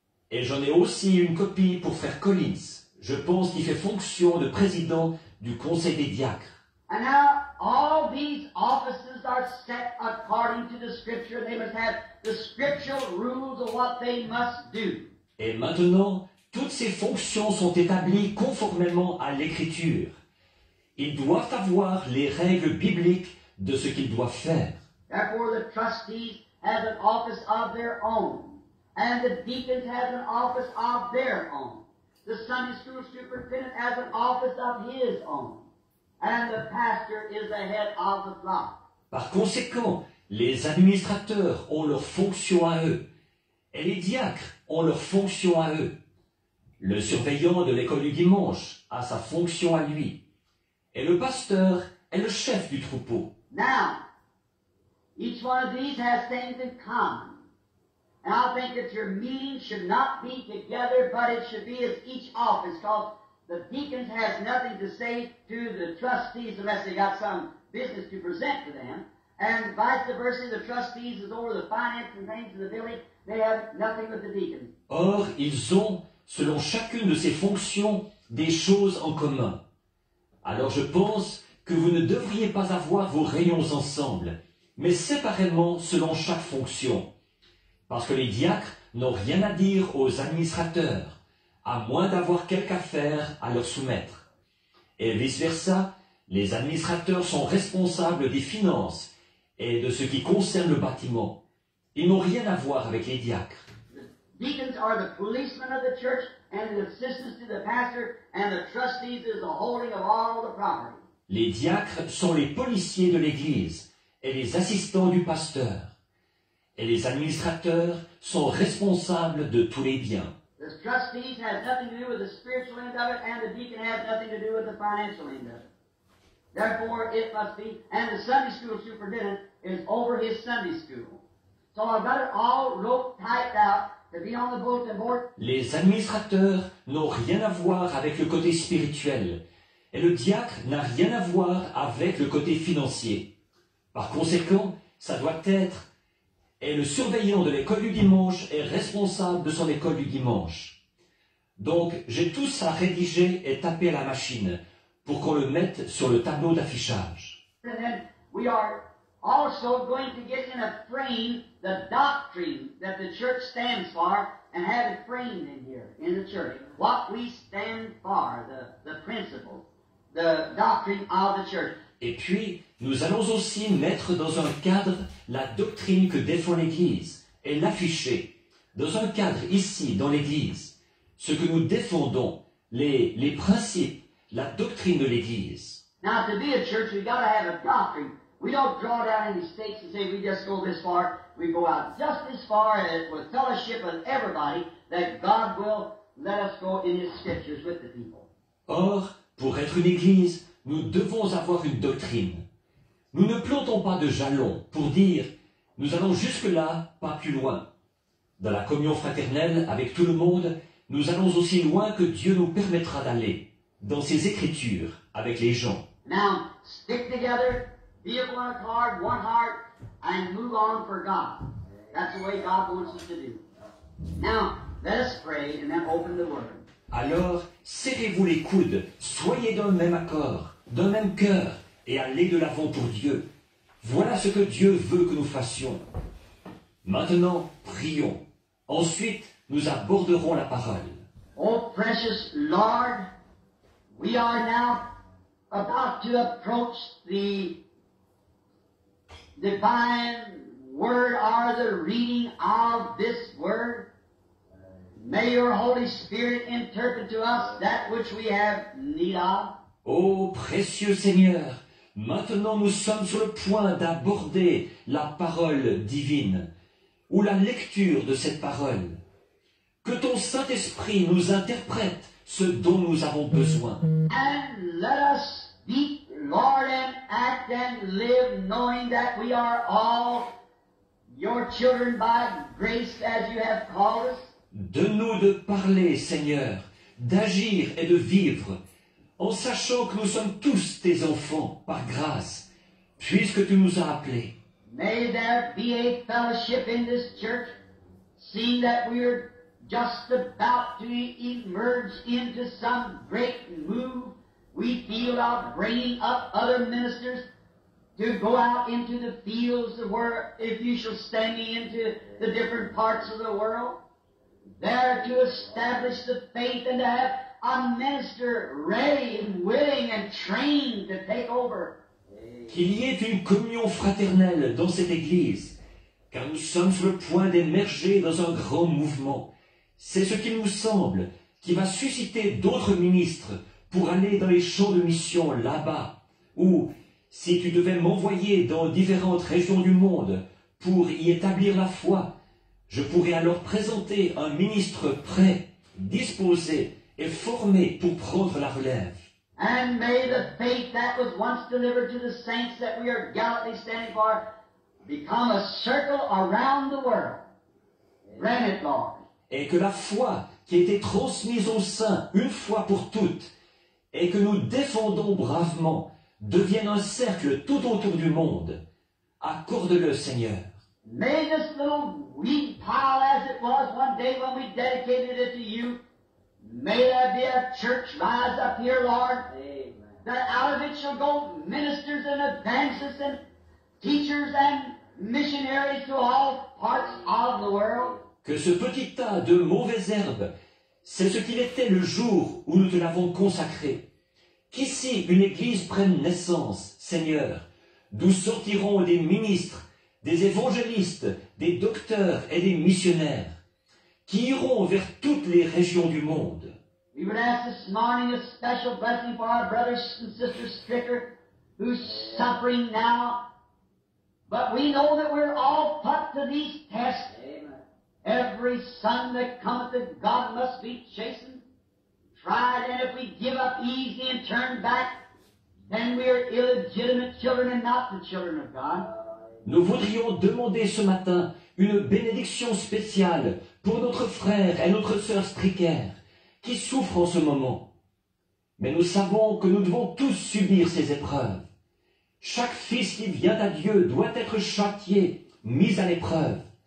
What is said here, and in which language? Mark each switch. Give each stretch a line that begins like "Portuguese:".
French: Et j'en ai aussi une copie pour Frère Collins, je pense qu'il fait fonction de président du Conseil des diacres.
English: And now, all these offices are set according to the scripture. They must have the scriptural rules of what they must do.
French: Et maintenant, toutes ces fonctions sont établies conformément à l'écriture. Ils doivent avoir les règles bibliques de ce qu'ils doivent faire.
English: Therefore, the trustees have an office of their own. And the deacons have an office of their own. The Sunday school superintendent has an office of his own. And the pastor is the head of the flock.
French: Par conséquent, les administrateurs ont leur fonction à eux. Et les diacres ont leur fonction à eux. Le surveillant de l'école du dimanche a sa fonction à lui. Et le pasteur est le chef du troupeau.
English: Now, each one of these has things in common. And I think that your meeting should not be together, but it should be as each office, because the deacons have nothing to say to the trustees unless they got some business to present to them. And vice versa, the trustees is over the finance and things of the village, they have nothing with the deacons.
French: Or, ils ont, selon chacune de ces fonctions, des choses en commun. Alors je pense que vous ne devriez pas avoir vos réunions ensemble, mais séparément selon chaque fonction. Parce que les diacres n'ont rien à dire aux administrateurs, à moins d'avoir quelque affaire à leur soumettre. Et vice-versa, les administrateurs sont responsables des finances et de ce qui concerne le bâtiment. Ils n'ont rien à voir avec les diacres. Les deacons sont les policiers de la church et les assistants du pasteur et les trustees sont le holding de toutes les propriétés. Les diacres sont les policiers de l'église et les assistants du pasteur. Et les administrateurs sont responsables de tous les biens.
English: The trustees have nothing to do with the spiritual end of it, and the deacon has nothing to do with the financial end of it. Therefore, it must be, and the Sunday school superintendent is over his Sunday school. So I've got it all wrote, typed out to be on the bulletin board.
French: Les administrateurs n'ont rien à voir avec le côté spirituel, et le diacre n'a rien à voir avec le côté financier. Par conséquent, ça doit être. Et le surveillant de l'école du dimanche est responsable de son école du dimanche. Donc, j'ai tout ça rédigé et tapé à la machine pour qu'on le mette sur le tableau d'affichage.
English: And then we are also going to get in a frame the doctrine that the church stands for and have it framed in here, in the church. What we stand for, the principle, the doctrine of the church.
French: Et puis, nous allons aussi mettre dans un cadre la doctrine que défend l'Église et l'afficher. Dans un cadre ici, dans l'Église, ce que nous défendons, les principes, la doctrine de l'Église.
English: Now, to be a church, we've got to have a doctrine. We don't draw down any stakes and say we just go this far. We go out just as far as with fellowship with everybody that God will let us go in His scriptures with the people.
French: Or, pour être une église, nous devons avoir une doctrine. Nous ne plantons pas de jalons pour dire nous allons jusque-là, pas plus loin. Dans la communion fraternelle avec tout le monde, nous allons aussi loin que Dieu nous permettra d'aller, dans ses écritures, avec les gens.
English: Now, stick together, be of one accord, one heart, and move on for God. That's the way God wants us to do. Now, let us pray and then open the word.
French: Alors, serrez-vous les coudes, soyez d'un même accord, d'un même cœur, et allez de l'avant pour Dieu. Voilà ce que Dieu veut que nous fassions. Maintenant, prions. Ensuite, nous aborderons la parole.
English: Oh, precious Lord, we are now about to approach the divine word or the reading of this word. May your Holy Spirit interpret to us that which we have need of.
French: Oh, précieux Seigneur, maintenant nous sommes sur le point d'aborder la parole divine ou la lecture de cette parole. Que ton Saint-Esprit nous interprète ce dont nous avons besoin.
English: And let us speak, Lord, and act and live, knowing that we are all your children by grace as you have called us.
French: Donne-nous de parler, Seigneur, d'agir et de vivre, en sachant que nous sommes tous tes enfants par grâce, puisque tu nous as appelés.
English: May there be a fellowship in this church, seeing that we are just about to emerge into some great move. We feel of bringing up other ministers to go out into the fields of where, if you shall send me into the different parts of the world, there to establish the faith and to have a minister ready and willing and trained to take over.
French: Qu'il y ait une communion fraternelle dans cette église, car nous sommes sur le point d'émerger dans un grand mouvement. C'est ce qu'il nous semble qui va susciter d'autres ministres pour aller dans les champs de mission là-bas, ou si tu devais m'envoyer dans différentes régions du monde pour y établir la foi, je pourrais alors présenter un ministre prêt, disposé et formé pour prendre la relève.
English: And may the faith that was once delivered to the saints that we are gallantly standing for become a circle around the world. Grant it, Lord.
French: Et que la foi qui a été transmise aux saints une fois pour toutes et que nous défendons bravement devienne un cercle tout autour du monde. Accorde-le, Seigneur.
English: May this little wheat pile as it was one day when we dedicated it to you, may there be a church rise up here, Lord, that out of it shall go ministers and evangelists and teachers and missionaries to all parts of the world.
French: Que ce petit tas de mauvaises herbes, c'est ce qu'il était le jour où nous te l'avons consacré. Qu'ici une église prenne naissance, Seigneur, d'où sortiront des ministres, des évangélistes, des docteurs et des missionnaires, qui iront vers toutes les régions du monde.
English: We would ask this morning a special blessing for our brothers and sisters Stricker, who's suffering now. But we know that we're all put to these tests. Every son that cometh of God must be chastened, tried, and if we give up easy and turn back, then we are illegitimate children and not the children of God.
French: Nous voudrions demander ce matin une bénédiction spéciale pour notre frère et notre sœur Stricker, qui souffrent en ce moment. Mais nous savons que nous devons tous subir ces épreuves. Chaque fils qui vient à Dieu doit être châtié, mis à l'épreuve.